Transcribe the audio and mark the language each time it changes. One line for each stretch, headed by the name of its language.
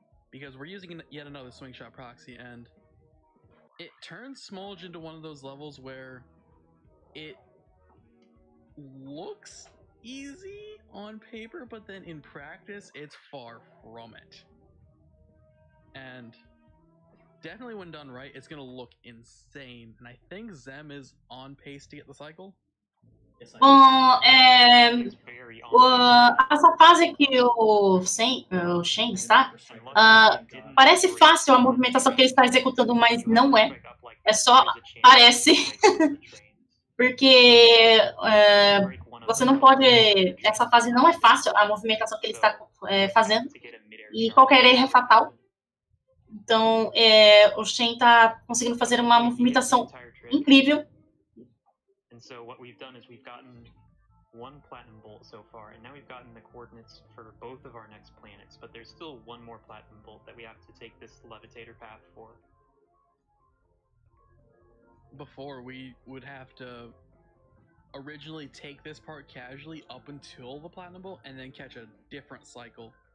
English: Because we're using yet another swingshot proxy, and it turns Smolge into one of those levels where it looks easy on paper, but then in practice, it's far from it. And definitely when done right, it's gonna look insane. And I think Zem is on pace to get the cycle.
Portuguese: Bom, essa fase que o Shen está, parece fácil a movimentação que ele está executando, mas não é. É só parece, porque você não pode, essa fase não é fácil, a movimentação que ele está fazendo, e qualquer erro é fatal. Então, o Shen está conseguindo fazer uma movimentação incrível.
English: So what we've done is we've gotten one platinum bolt so far, and now we've gotten the coordinates for both of our next planets, but there's still one more platinum bolt that we have to take this levitator path for. before, we would have to originally take this part casually up until the Platinum Bowl and then catch a different cycle.